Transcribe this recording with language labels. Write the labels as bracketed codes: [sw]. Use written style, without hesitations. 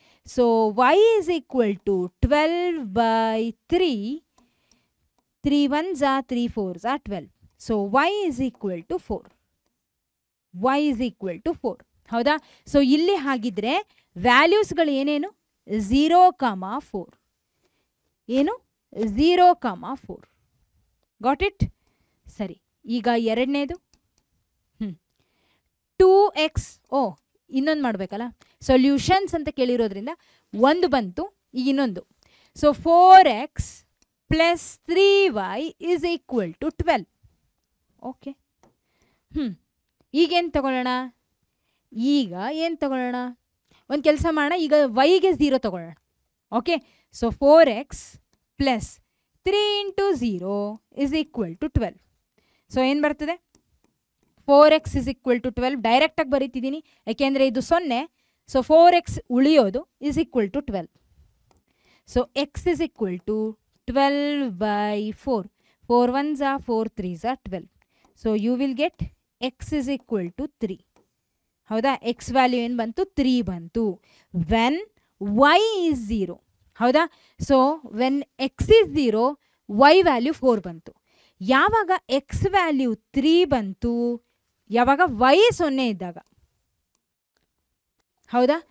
[en] So y is equal to 12/3, 3 1s are 3 4s are 12. So y is equal to 4, y is equal to 4, ಹೌದಾ? [kn] So ಇಲ್ಲಿ ಹಾಗಿದ್ರೆ ವ್ಯಾಲ್ಯೂಸ್ಗಳು ಏನೇನು, 0,4 ಏನು, 0,4, got it? ಸರಿ, ಈಗ ಎರಡನೇದು 2x, ಓ ಇನ್ನೊಂದು ಮಾಡಬೇಕಲ್ಲ, ಸೊಲ್ಯೂಷನ್ಸ್ ಅಂತ ಕೇಳಿರೋದ್ರಿಂದ ಒಂದು ಬಂತು, ಈಗ ಇನ್ನೊಂದು. [en] So 4x plus 3y is equal to 12. [kn] Okay, ಈಗೇನು ತಗೊಳ್ಳೋಣ, ಈಗ ಏನು ತಗೊಳ್ಳೋಣ, ಒಂದು ಕೆಲಸ ಮಾಡೋಣ, ಈಗ ವೈಗೆ 0 ತಗೊಳ್ಳೋಣ. [en] Okay, so 4x plus 3 × 0 is equal to 12. [kn] So ಏನು ಬರ್ತದೆ, [en] 4x is equal to 12, [kn] ಡೈರೆಕ್ಟಾಗಿ ಬರೀತಿದ್ದೀನಿ ಯಾಕೆಂದರೆ ಇದು 0. [en] so 4x [kn] ಉಳಿಯೋದು, [en] Is equal to 12. So x is equal to 12/4, 4 1s are 4 3s are 12. So you will get x is equal to 3, ಹೌದಾ? [kn] x value ಏನು ಬಂತು, 3 ಬಂತು, [en] when y is 0, [kn] ಹೌದಾ? [en] so when x is 0 [kn] y value 4 ಬಂತು. ಯಾವಾಗ x value 3 ಬಂತು, ಯಾವಾಗ y 0 ಇದ್ದಾಗ, ಹೌದಾ?